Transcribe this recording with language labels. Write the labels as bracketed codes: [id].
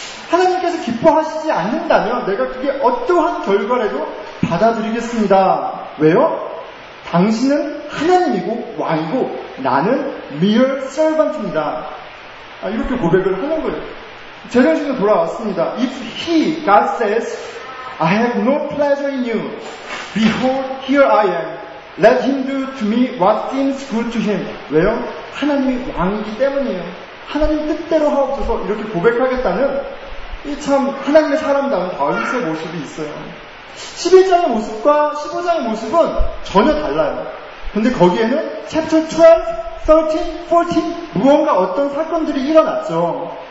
[ko] 하나님께서 기뻐하시지 않는다면 내가 그게 어떠한 결과라도 받아들이겠습니다. 왜요? 당신은 하나님이고 왕이고 나는 [en] mere servant [ko] 입니다. 이렇게 고백을 하는 거예요. 제정신은 돌아왔습니다. [en] If he, God says, I have no pleasure in you, behold, here I am. Let him do to me what seems good to him. [ko] 왜요? 하나님이 왕이기 때문이에요. 하나님 뜻대로 하옵소서. 이렇게 고백하겠다는 이 참 하나님의 사람다운 다윗의 모습이 있어요. 11장의 모습과 15장의 모습은 전혀 달라요. 근데 거기에는 챕터 12, 13, 14 무언가 어떤 사건들이 일어났죠.